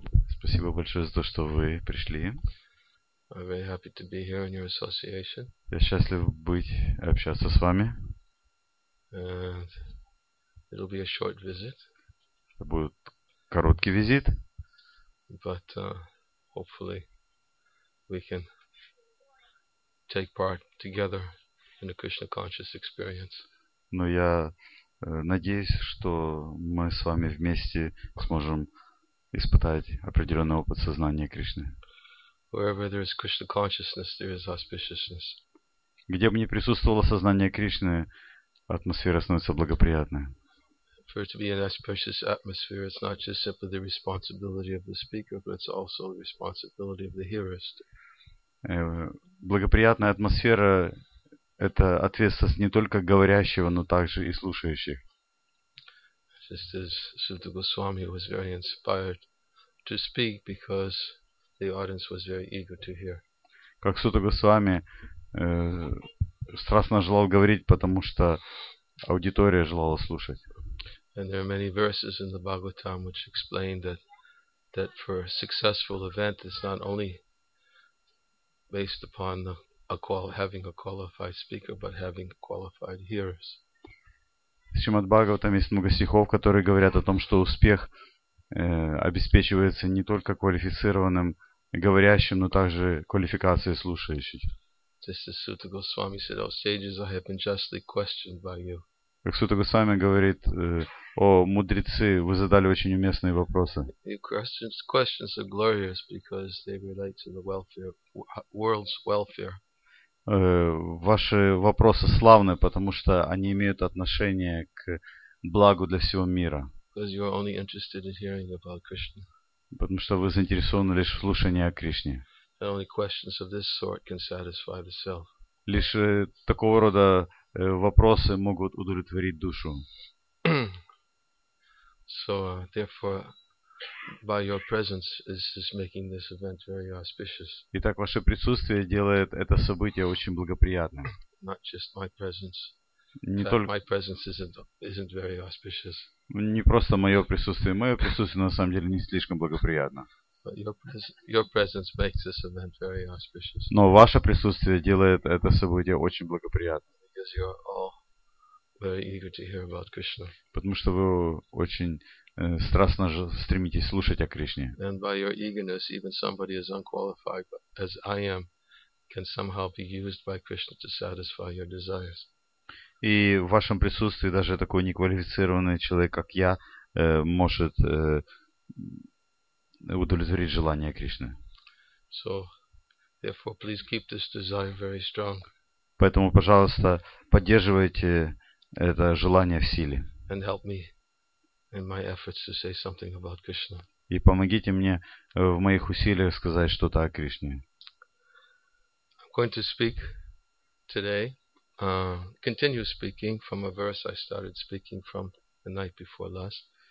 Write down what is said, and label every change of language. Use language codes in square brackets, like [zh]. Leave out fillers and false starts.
[ru] Спасибо большое за то, что вы пришли. [en] I'm very happy to be here in your association. [ru] Я счастлив быть общаться с вами. [en] And it'll be a short visit. [ru] Это будет короткий визит. [en] But hopefully we can take part together in a Krishna conscious experience. [ru] Но я надеюсь, что мы с вами вместе сможем испытать определенный опыт сознания Кришны. [en] Wherever there is Krishna consciousness, there is auspiciousness. [ru] Где бы ни присутствовало сознание Кришны, атмосфера становится благоприятной. [en] For it to be an auspicious atmosphere, it's not just simply the responsibility of the speaker, but it's also the responsibility of the hearers. [ru] Благоприятная атмосфера — это ответственность не только говорящего, но также и слушающих. [en] Just as Śrīla Gosvāmī was very inspired to speak because the audience was very eager to hear. [ru] Как Śrīla Gosvāmī страстно желал говорить, потому что аудитория желала слушать. [en] And there are many verses in the Bhagavatam which explain that for a successful event, it's not only based upon the having a qualified speaker, but having qualified hearers. [ru] В Шримад-Бхагаватам есть много стихов, которые говорят о том, что успех обеспечивается не только квалифицированным говорящим, но также квалификацией слушающих. [en] Just as Śrīla Gosvāmī said, "All sages, I have been justly questioned by you." [ru] Как Śrīla Gosvāmī говорит: "О мудрецы, вы задали очень уместные вопросы." [en] Your questions are glorious because they relate to the welfare, world's welfare. [ru] Ваши вопросы славны, потому что они имеют отношение к благу для всего мира. [en] Because you are only interested in hearing about Krishna. [ru] Потому что вы заинтересованы лишь в слушании о Кришне. [en] And only questions of this sort can satisfy the self. [ru] Лишь такого рода вопросы могут удовлетворить душу. [en] So, therefore, by your presence, this is making this event very auspicious. [ru] Итак, ваше присутствие делает это событие очень благоприятным. [en] Not just my presence. [ru] Не только [en] my presence isn't very auspicious. [ru] Не просто мое присутствие. Мое присутствие на самом деле не слишком благоприятно. [en] But your presence makes this event very auspicious. [ru] Но ваше присутствие делает это событие очень благоприятным. [en] Because you are all very eager to hear about Krishna. [ru] Потому что вы очень страстно же стремитесь слушать о Кришне. [en] And by your eagerness, even somebody as unqualified as I am can somehow be used by Krishna to satisfy your desires. [ru] И в вашем присутствии даже такой неквалифицированный человек, как я, может удовлетворить желание Кришны. [en] So, therefore, please keep this desire very strong. [ru] Поэтому, пожалуйста, поддерживайте это желание в силе. [en] And help me in my efforts to say something about Krishna. [ru] И помогите мне в моих усилиях сказать что-то о Кришне. [en] I'm going to speak today, continue speaking from a verse I started speaking from the night before last.